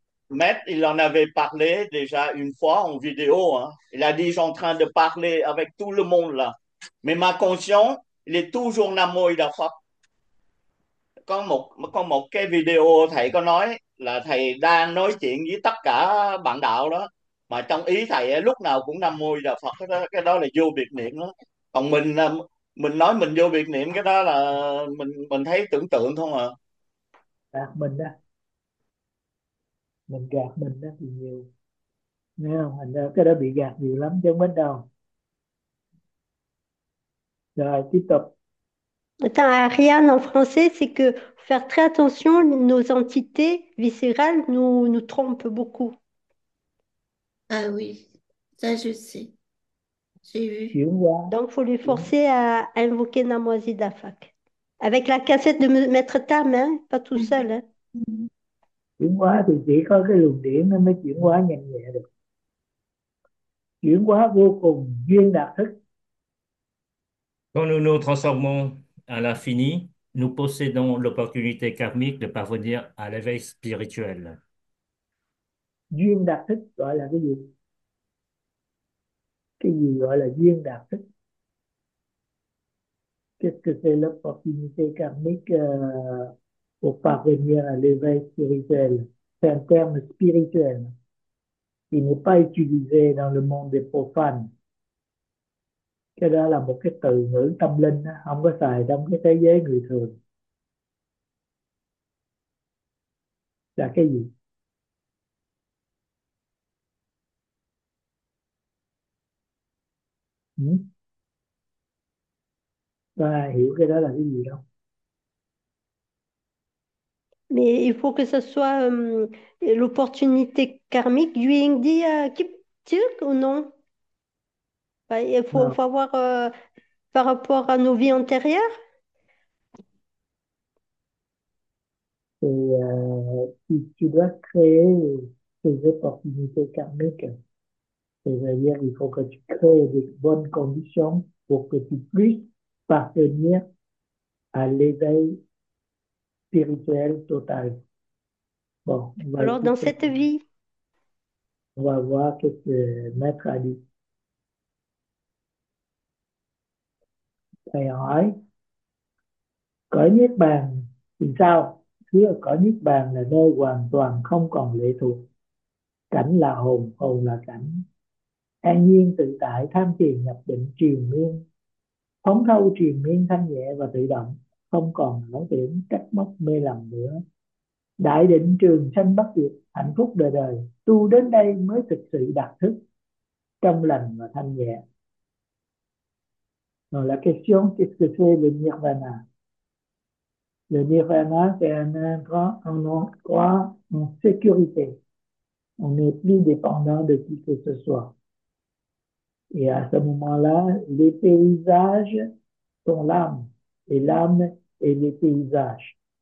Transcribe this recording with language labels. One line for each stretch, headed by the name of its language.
French: Maître, il en avait parlé déjà une fois en vidéo. Hein. Il a dit, j'en suis en train de parler avec tout le monde là. Mais ma conscience, il est toujours Nam Mô Phật.
Vietnamese: Có một cái video thầy có nói là thầy đang nói chuyện với tất cả bạn đạo đó. Mà trong ý thầy lúc nào cũng Nam Mô Đà Phật. Cái đó là vô biệt niệm đó. Còn mình nói mình vô biệt niệm, cái đó là mình thấy tưởng tượng thôi mà. Mình đó, mình gạt mình đó thì nhiều, nghe không? Mình đó, cái đó bị gạt nhiều lắm chứ không biết đâu. Rồi tiếp tục.
French: Attends, Ariane, en français, c'est que faire très attention, nos entités viscérales nous trompent beaucoup. Ah oui, ça je sais, j'ai vu.
Vietnamese: Chuyển qua.
French: Donc, faut les forcer à invoquer Namo Amida Phat. Avec la cassette de Maître Tam, hein, pas tout seul, hein.
Vietnamese: Chuyển hóa thì chỉ có cái luồng điển nó mới chuyển hóa nhanh nhẹ được. Chuyển hóa vô cùng duyên đạt thức.
French: Quand nous nous transformons à l'infini, nous possédons l'opportunité karmique de parvenir à l'éveil spirituel.
Vietnamese: Duyên đạt thức gọi là cái gì? Cái gì gọi là duyên đạt thức?
French: Cái opportunité karmique pour parvenir à l'éveil spirituel. C'est un terme spirituel qui n'est pas utilisé dans le monde des profanes.
Vietnamese: Cái đó là một cái từ ngữ tâm linh, không có xài trong cái thế giới người thường. Là cái gì? Ta hiểu cái đó là cái gì không?
French: Mais il faut que ce soit l'opportunité karmique lui dit qui tire ou non? Ben, il Non. faut avoir par rapport à nos vies antérieures. Tu dois créer ces opportunités karmiques. C'est-à-dire qu'il faut que tu crées des bonnes conditions pour que tu puisses parvenir à l'éveil spirituel total. Bon, on va Alors, dans écouter. cette vie, On va voir ce que Maître a dit.
Vietnamese: Thầy hỏi, cõi Niết Bàn thì sao? Khi ở cõi Niết Bàn là nơi hoàn toàn không còn lệ thuộc. Cảnh là hồn, hồn là cảnh. An nhiên tự tại tham thiền nhập định triền miên, thấu thâu triền miên thanh nhẹ và tự động, không còn ảo tưởng trách móc mê lầm nữa. Đại định trường sanh bất diệt, hạnh phúc đời đời, tu đến đây mới thực sự đạt thức trong lành và thanh nhẹ. Rồi là
French: question qu'est-ce que c'est le nirvana? Le nirvana, c'est un endroit en sécurité. On n'est plus dépendant de qui que ce soit. Et à ce moment-là, les paysages sont l'âme, et l'âme est les paysages.